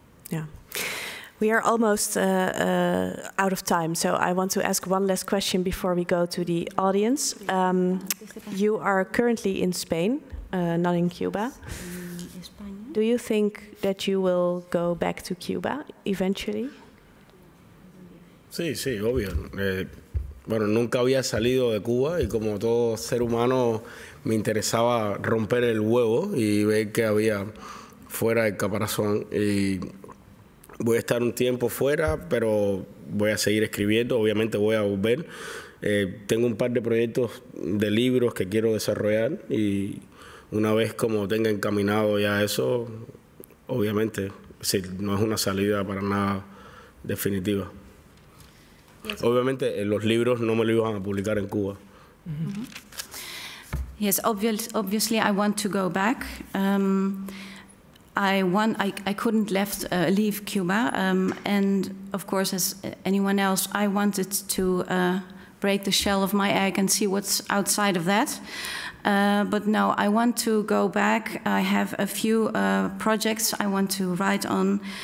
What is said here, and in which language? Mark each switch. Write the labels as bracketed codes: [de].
[en] Yeah. We are almost out of time, so I want to ask one last question before we go to the audience. You are currently in Spain, not in Cuba. Do you think that you will go back to Cuba eventually? [es] Sí, sí, obvio. Bueno, nunca había salido de Cuba y como todo ser humano me interesaba romper el huevo y ver qué había fuera del caparazón. Y voy a estar un tiempo fuera, pero voy a seguir escribiendo. Obviamente voy a volver. Tengo un par de proyectos de libros que quiero desarrollar y una vez como tenga encaminado ya eso, obviamente, sí, no es una salida para nada definitiva. Yes. Obviamente, los libros no me los iban a publicar en Cuba. [en] Mm-hmm. Yes, obviously, I want to go back. I couldn't leave Cuba, and of course, as anyone else, I wanted to break the shell of my egg and see what's outside of that. But no, I want to go back. I have a few projects I want to write on.